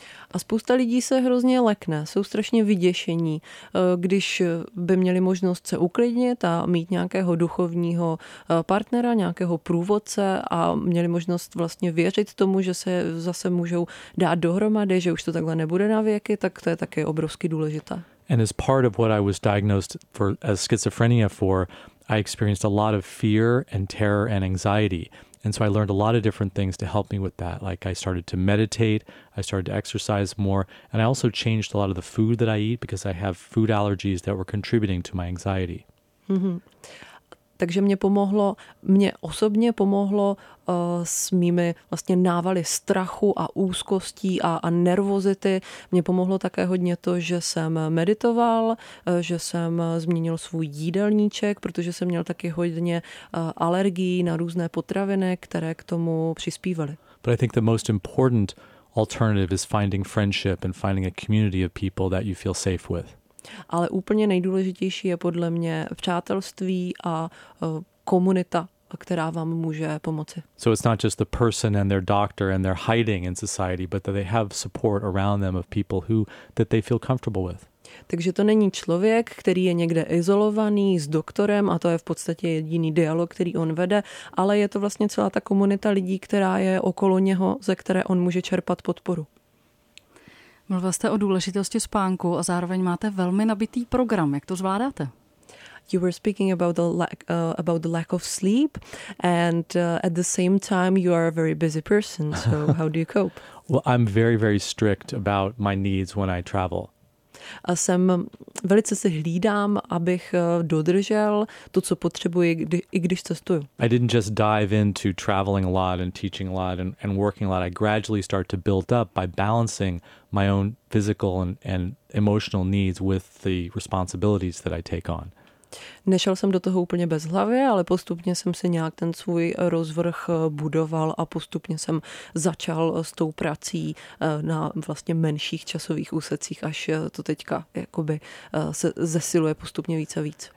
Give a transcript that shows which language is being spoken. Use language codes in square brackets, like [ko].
[cs] A spousta lidí se hrozně lekne, jsou strašně vyděšení, když by měli možnost se uklidnit a mít nějakého duchovního partnera, nějakého průvodce a měli možnost vlastně věřit tomu, že se zase můžou dát dohromady, že už to takhle nebude na věky, tak to je taky obrovsky důležité. [en] And as part of what I was diagnosed for as schizophrenia for, I experienced a lot of fear and terror and anxiety. And so I learned a lot of different things to help me with that. Like I started to meditate, I started to exercise more, and I also changed a lot of the food that I eat because I have food allergies that were contributing to my anxiety. Mm-hmm. [cs] Takže mě osobně pomohlo s mými vlastně návaly strachu a úzkostí a nervozity. Mě pomohlo také hodně to, že jsem meditoval, že jsem změnil svůj jídelníček, protože jsem měl taky hodně alergií na různé potraviny, které k tomu přispívaly. [en] But I think the most important alternative is finding friendship and finding a community of people that you feel safe with. [cs] Ale úplně nejdůležitější je podle mě přátelství a komunita, která vám může pomoci. [en] So it's not just the person and their doctor and their hiding in society, but that they have support around them of people who that they feel comfortable with. [cs] Takže to není člověk, který je někde izolovaný s doktorem a to je v podstatě jediný dialog, který on vede, ale je to vlastně celá ta komunita lidí, která je okolo něho, ze které on může čerpat podporu. Mluvil jste o důležitosti spánku a zároveň máte velmi nabitý program. Jak to zvládáte? [en] You were speaking about the lack of sleep and at the same time you are a very busy person. So how do you cope? Well, I'm very, very strict about my needs when I travel. [cs] A jsem velice se hlídám, abych dodržel to, co potřebuji, i když cestuju. [en] I didn't just dive into traveling a lot and teaching a lot and working a lot. I gradually start to build up by balancing my own physical and emotional needs with the responsibilities that I take on. [cs] Nešel jsem do toho úplně bez hlavy, ale postupně jsem se nějak ten svůj rozvrh budoval a postupně jsem začal s tou prací na vlastně menších časových úsecích, až to teďka jakoby se zesiluje postupně víc a víc.